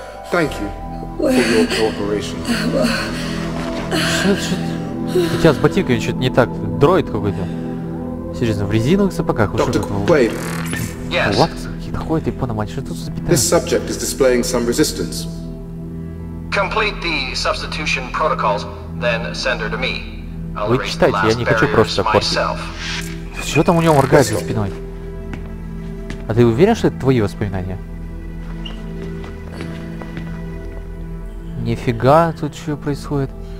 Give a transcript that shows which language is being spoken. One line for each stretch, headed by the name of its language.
English: Thank you for your cooperation.
Russian: Что-то... У тебя с ботинками что-то не так. Дроид какой-то. Серьезно, в резиновых сапогах? Доктор, какие-то ходят, японо-мать. Что тут за петля?
English: This subject is displaying some resistance. Complete the substitution protocols, then send her to me.
Russian: Вы читайте, я не хочу просто портить. Что там у него моргает за спиной? А ты уверен, что это твои воспоминания? Нифига тут что происходит.